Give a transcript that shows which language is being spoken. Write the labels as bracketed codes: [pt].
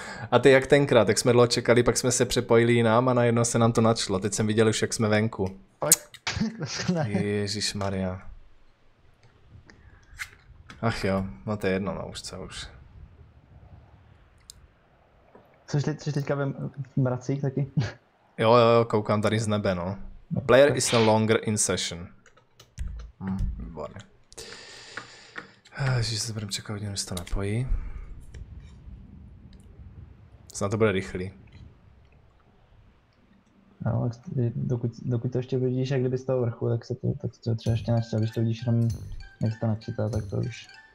[cs] A ty jak tenkrát, jak jsme dlouho čekali, pak jsme se přepojili jinam a najednou se nám to načtlo. Teď jsem viděl už, jak jsme venku. Ježišmarja. Ach jo, no to je jedno, no už co, už. Což teďka ve mracích taky? Jo, jo, jo, koukám tady z nebe, no. [en] Player is no longer in session. [cs] Výborně. Ježiš, se budeme čekat, když to napojí. Snad to bude rychlý. No, dokud to ještě vidíš, jak kdyby z toho vrchu, tak se to, tak to třeba ještě načítá, když to vidíš jenom, jak se to načítá, tak to už.